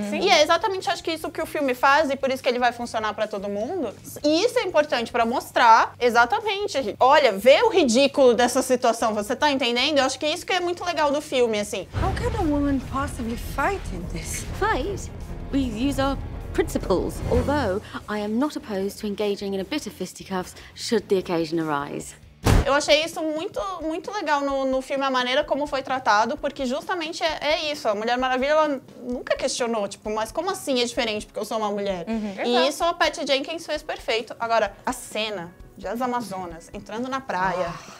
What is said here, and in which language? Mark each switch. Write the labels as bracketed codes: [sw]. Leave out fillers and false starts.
[pt] Sim. E é exatamente, acho que isso que o filme faz e por isso que ele vai funcionar pra todo mundo. E isso é importante pra mostrar, exatamente. Olha, vê o ridículo dessa situação, você tá entendendo? Eu acho que isso que é muito legal do filme, assim. Como pode uma mulher possivelmente lutar nisso? Lutar? Nós usamos... [en] principles, although I am not opposed to engaging in a bit of fisticuffs should the occasion arise. [pt] Eu achei isso muito, muito legal no filme, a maneira como foi tratado, porque justamente é isso. A Mulher Maravilha, ela nunca questionou, tipo, mas como assim é diferente porque eu sou uma mulher? Uhum. E isso a Patty Jenkins fez perfeito. Agora, a cena de as Amazonas entrando na praia.